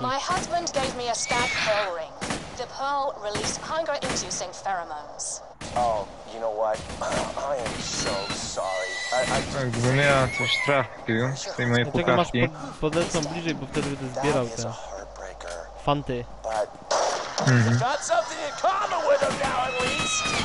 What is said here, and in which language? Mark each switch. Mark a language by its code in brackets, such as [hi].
[en] My husband gave me a stag pearl ring. The pearl released hunger-inducing pheromones. Oh, you know what? I am so sorry. [pl] Gdybym ja coś trafił z tej mojej pukawki. Dlatego masz podeszłam bliżej, bo wtedy bym zbierał te fanty. [en] Got something in common with him now at least.